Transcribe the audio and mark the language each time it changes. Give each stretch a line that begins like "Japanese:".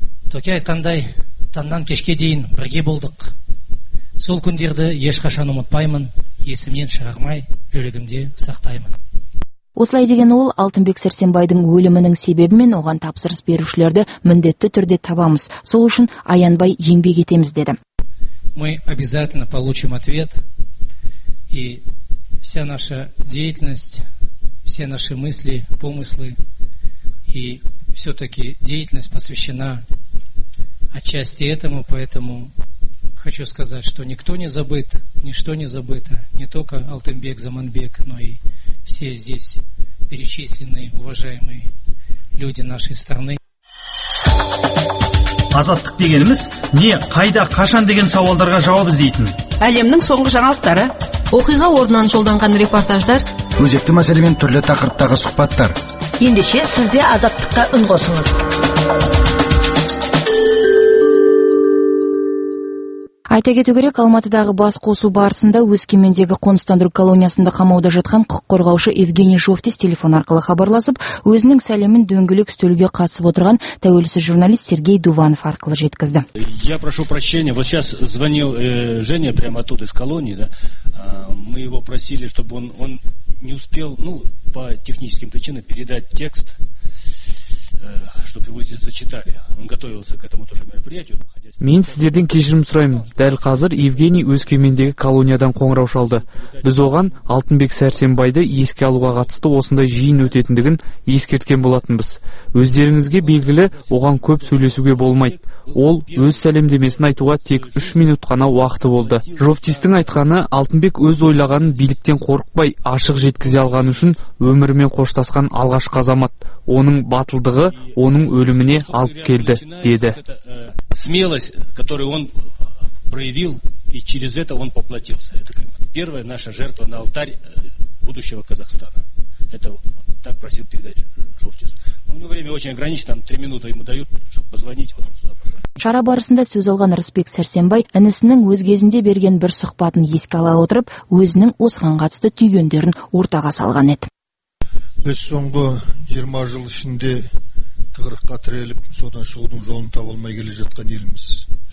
Kazakh: Төке айтқандай, таңнан кешке дейін бірге болдық. Сол күндерді ешқашан ұмытпаймын, есімнен шығармай, жүрегімде сақтаймын. Осылай деген ол, Алтынбек Сарсенбайдың өлімінің себебімен оған тапсырыс берушілерді міндетті түрде табамыз. Сол үшін аянбай еңбек етеміз деді.
Russian: Мы обязательно получим ответ, и вся наша деятельность, все наши мысли, помыслы и все-таки деятельность посвящена отчасти этому, поэтому хочу сказать, что никто не забыт, ничто не забыто, не только Алтынбек Заманбек, но и все здесь перечисленные уважаемые люди нашей страны.
Kazakh: Азаттық дегеніміз не, қайда, қашан деген сауалдарға жауап іздейтін. Әлемнің соңғы жаңалықтары, оқиға орнынан жолданған репортаждар, өзекті мәселемен түрлі тақырыптағы сұхбаттар. Ендеше сізде азаттыққа үн қосыңыз. Айта кету керек, Алматыдағы бас қосу барысында Өскемендегі қоныстандыру колониясында қамауда жатқан құқық қорғаушы Евгений Жовтис телефон арқылы хабарласып, өзінің сәлемін дөңгелек үстелге қатысып отырған тәуелсіз журналист Сергей Дуванов арқылы жеткізді.
Russian: Я прошу прощения, вот сейчас звонил Женя прямо оттуда из колонии, да? Мы его просили, чтобы он не успел, ну, по техническим причинам передать текст, чтобы его здесь зачитали. Он готовился к этому тоже мероприятию.
Kazakh: Мен сіздерден кешірім сұраймын. Дәл қазір Евгений Өскемендегі колониядан қоңырау шалды. Біз оған Алтынбек Сарсенбайды еске алуға қатысты осындай жиын өтетіндігін ескерткен болатынбыз. Өздеріңізге белгілі, оған көп сөйлесуге болмайды. Ол өз сәлемдемесін айтуға тек 3 минут қана уақыты болды. Жовтистің айтқаны, Алтынбек өз ойлағанын биліктен қорықпай ашық жеткізе алғаны үшін өмірімен қоштасқан алғашқы азамат. Оның батылдығы оның өліміне алып келді, деді.
Russian: Смелость, которую он проявил, и через это он поплатился. Это первая наша жертва на алтарь будущего Казахстана. Это так просил передать Жовтис. У него время очень ограничено, там 3 минуты ему дают, чтобы позвонить. Вот он сюда позвонит.
Kazakh: Шара барысында сөз алған Рысбек Сарсенбай інісінің өз кезінде берген бір сұхбатын еске ала отырып, өзінің осыған қатысты түйгендерін ортаға салған еді. Біз соңғы 20 жыл ішінде тығырыққа тіреліп, содан шығудың жолын таба алмай келе жатқан еліміз.